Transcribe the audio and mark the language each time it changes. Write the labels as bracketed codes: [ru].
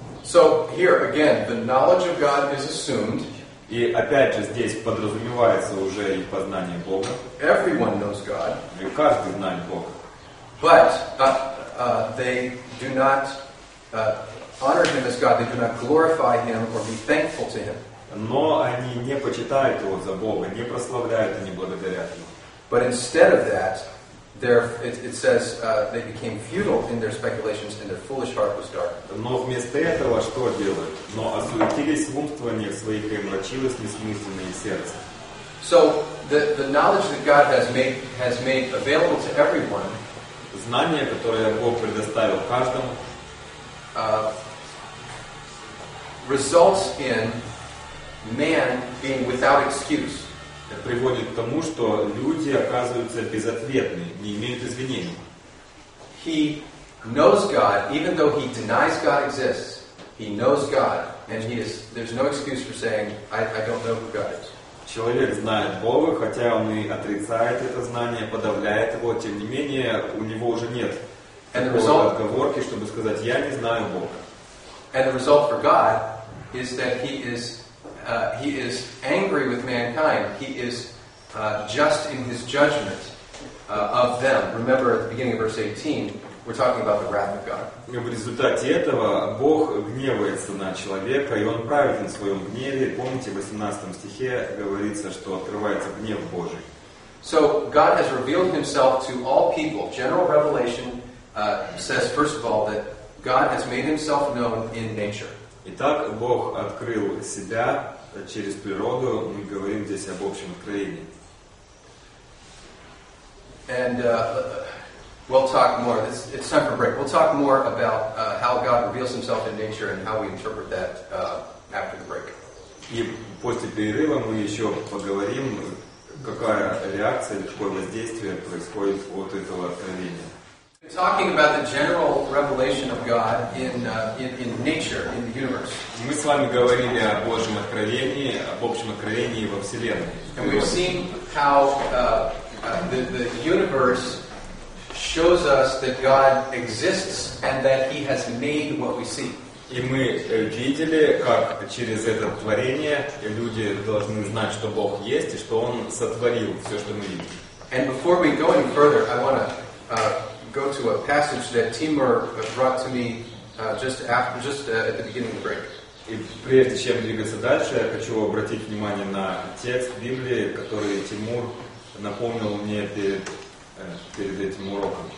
[en] So here again, the knowledge of God is assumed. [ru] И опять же здесь подразумевается уже и познание Бога. [en] Everyone knows God. [ru] И каждый знает Бога. [en] But they do not honor Him as God. They do not glorify Him or be thankful to Him. [ru] Но они не почитают его за Бога, не прославляют и не благодарят ему. [en] But instead of that, it says they became futile in their speculations and their foolish heart was dark. [ru] Но вместо этого что делают? Но осуетились в умствованиях своих и омрачилось несмысленное сердце. [en] So the knowledge that God has made available to everyone. [ru] Знание, которое Бог предоставил каждому. [en] Results in man being without excuse. [ru] Это приводит к тому, что люди оказываются безответны, не имеют извинений. [en] He knows God, even though he denies God exists. He knows God, and there's no excuse for saying, I don't know who God is. [ru] Человек знает Бога, хотя он и отрицает это знание, подавляет его, тем не менее, у него уже нет такого отговорки, чтобы сказать, я не знаю Бога. [en] And the result for God is that he is angry with mankind. He is just in his judgment of them. Remember at the beginning of verse 18, we're talking about the wrath of God. [ru] В результате этого Бог гневается на человека, и он праведен в своем гневе. Помните, в 18 стихе говорится, что открывается гнев Божий. [en] So God has revealed himself to all people. General revelation says, first of all, that God has made himself known in nature. [ru] Итак, Бог открыл себя через природу. Мы говорим здесь об общем откровении. [en] And we'll talk more. It's time for a break. We'll talk more about how God reveals himself in nature and how we interpret that after the break. [ru] И после перерыва мы еще поговорим, какая реакция или какое воздействие происходит от этого откровения. [en] Talking about the general revelation of God in nature, in the universe. [ru] Мы с вами говорили о Божьем откровении, об общем откровении во Вселенной. [en] And we've seen how the universe shows us that God exists and that He has made what we see. [ru] И мы видели, как через это творение люди должны знать, что Бог есть и что Он сотворил все, что мы видим. [en] And before we go any further, I want to go to a passage that Timur brought to me at the beginning of the break. [ru] И прежде чем двигаться дальше, я хочу обратить внимание на текст Библии, который Тимур напомнил мне перед этим уроком.